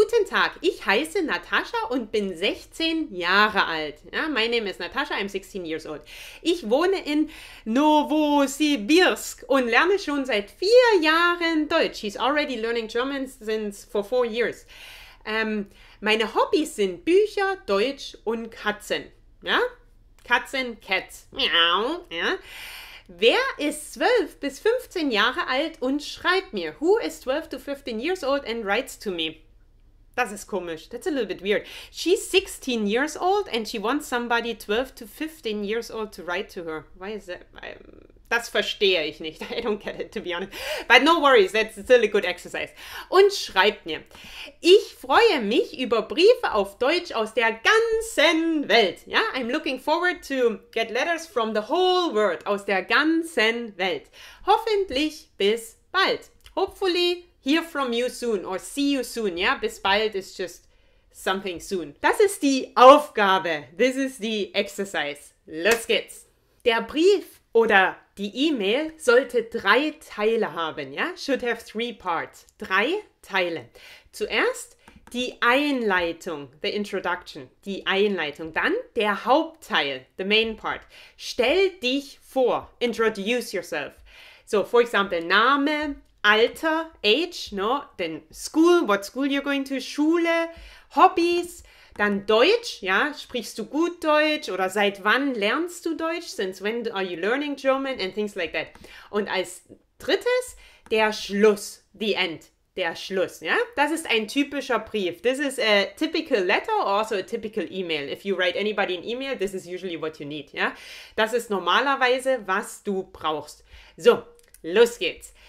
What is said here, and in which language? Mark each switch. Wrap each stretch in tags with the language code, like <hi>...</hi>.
<de>Guten Tag, ich heiße Natascha und bin 16 Jahre alt.</de> <en>Ja, my name is Natascha, I'm 16 years old.</en> <de>Ich wohne in Novosibirsk und lerne schon seit 4 Jahren Deutsch.</de> <en>She's already learning German since for 4 years.</en> <de>Meine Hobbys sind Bücher, Deutsch und Katzen. Ja, Katzen, Cats. Miau, ja. Wer ist 12 bis 15 Jahre alt und schreibt mir?</de> <en>Who is 12 to 15 years old and writes to me?</en> <de>Das ist komisch.</de> <en>That's a little bit weird. She's 16 years old and she wants somebody 12 to 15 years old to write to her. Why is that?</en> <de>Das verstehe ich nicht.</de> <en>I don't get it, to be honest. But no worries, that's still a good exercise.</en> <de>Und schreibt mir. Ich freue mich über Briefe auf Deutsch aus der ganzen Welt.</de> <en>Ja, yeah? I'm looking forward to get letters from the whole world,</en> <de>aus der ganzen Welt. Hoffentlich bis bald.</de> <en>Hopefully hear from you soon or see you soon.</en> <de>Ja, yeah? Bis bald ist</de> <en>just something soon.</en> <de>Das ist die Aufgabe.</de> <en>This is the exercise.</en> <de>Los geht's. Der Brief oder die E-Mail sollte drei Teile haben, ja?</de> <en>Should have three parts.</en> <de>Drei Teile. Zuerst die Einleitung,</de> <en>the introduction,</en> <de>die Einleitung. Dann der Hauptteil,</de> <en>the main part.</en> <de>Stell dich vor,</de> <en>introduce yourself. So, for example, Name, Alter, Age, no? Then school, what school you're going to, Schule, Hobbys.</en> <de>Dann Deutsch, ja, sprichst du gut Deutsch oder seit wann lernst du Deutsch?</de> <en>Since when are you learning German and things like that.</en> <de>Und als drittes der Schluss, the end, der Schluss, ja. Das ist ein typischer Brief.</de> <en>This is a typical letter or also a typical email. If you write anybody an email, this is usually what you need, ja.</en> <de>Das ist normalerweise, was du brauchst. So, los geht's.</de>